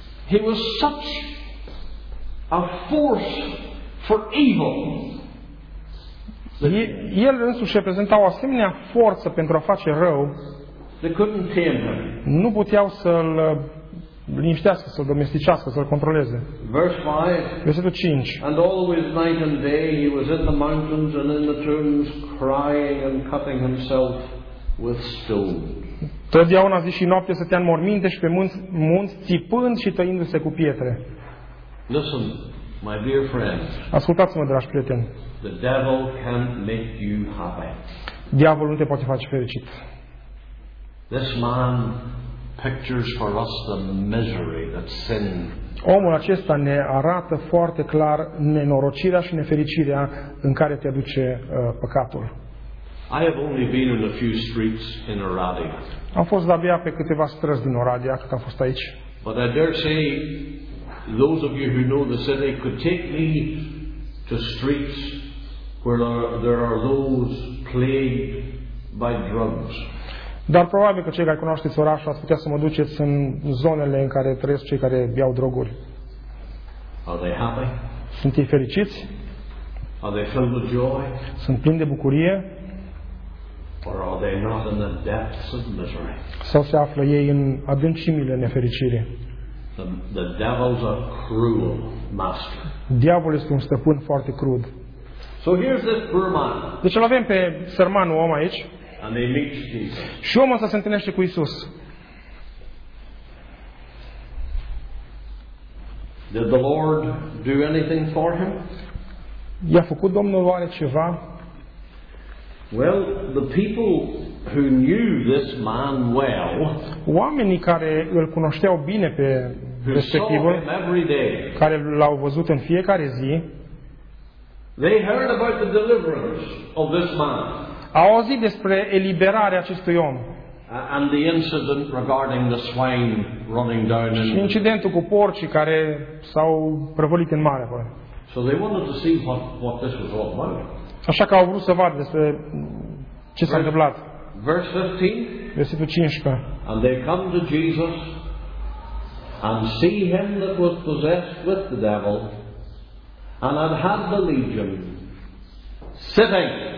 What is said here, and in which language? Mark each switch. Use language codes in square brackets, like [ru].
[en] He was such a force for evil. [ro] El însuși reprezenta o asemenea forță pentru a face rău. [en] They couldn't tame him. [ro] Nu puteau să-l liniștească, să-l domesticească, să-l controleze. [en] Verse 5. [ro] Versetul 5. [en] And always night and day he was in the mountains and in the tombs crying and cutting himself with stone. [ro] Totdeauna zi și noapte stătea în morminte și pe munți țipând și tăindu-se cu pietre. [en] Listen, my dear friends. [ro] Ascultați-mă, dragi prieteni. [en] The devil can make you happy. [ro] Diavolul nu te poate face fericit. [en] This man pictures for us the misery that sin. [ro] Omul acesta ne arată foarte clar nenorocirea și nefericirea în care te aduce păcatul. [en] I have only been in a few streets in Oradea. [ro] Am fost abia pe câteva străzi din Oradea, cât am fost aici. [en] But I dare say those of you who know the city could take me to streets where there are those plagued by drugs. [ro] Dar probabil că cei care cunoașteți orașul ați putea să mă duceți în zonele în care trăiesc cei care beau droguri. [en] Are they happy? [ro] Sunt ei fericiți? [en] Are they filled with joy? [ro] Sunt plini de bucurie? [en] Or are they not in the depths of misery? [ro] Sau se află ei în adâncimile nefericirii? [en] The devil's a cruel master. [ro] Diavolul este un stăpân foarte crud. [en] So here's this poor man. [ro] Deci îl avem pe sărmanul om aici. [en] And they meet Jesus. [ro] Și omul ăsta se întâlnește cu Iisus. [en] Did the Lord do anything for him? [ro] I-a făcut Domnul oare ceva? [en] Well, the people who knew this man well. [ro] Oamenii care îl cunoșteau bine pe respectivul, care l-au văzut în fiecare zi. [en] They heard about the deliverance of this man. [ro] A auzit despre eliberarea acestui om. [en] And the incident regarding the swine running down in. [ro] Și incidentul cu porcii care s-au prăvălit în mare acolo. [en] So they wanted to see what this was all about. [ro] Așa că au vrut să vadă despre ce s-a întâmplat. [en] Verse 15. [ro] Versetul 15. [en] And they come to Jesus and see him that was possessed with the devil and had had the legion sitting.